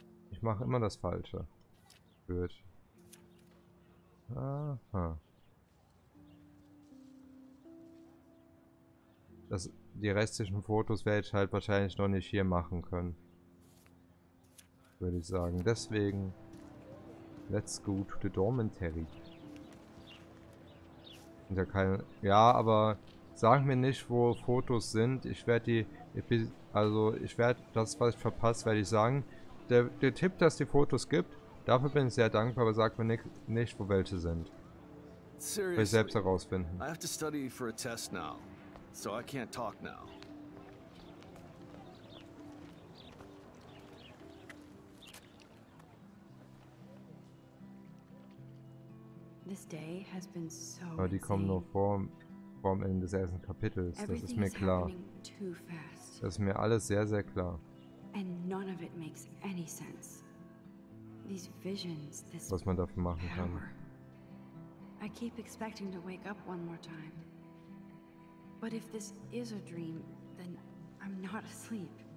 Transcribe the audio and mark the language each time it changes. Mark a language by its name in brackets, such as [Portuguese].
[German] Ich mache immer das Falsche. Gut. Aha. Die restlichen Fotos werde ich halt wahrscheinlich noch nicht hier machen können. Würde ich sagen. Deswegen, [English] let's go to the dormitory. [German] Sind ja keine. Ja, aber sag mir nicht, wo Fotos sind. Ich werde die. Ich werde das, was ich verpasst, sagen. Der Tipp, dass die Fotos gibt, dafür bin ich sehr dankbar, aber sag mir nicht, wo welche sind. Will ich selbst herausfinden. [English] I have to study for a test now, so I can't talk now. This day has been so. [German] Aber die kommen nur vorm Ende des ersten Kapitels. Das ist mir klar. Das ist mir alles sehr, sehr klar. [English] And none of it makes any sense. These visions, this [German] was man dafür machen [English] power. [German] Kann. [English] I keep expecting to wake up one more time. But if this is a dream, then I'm not asleep.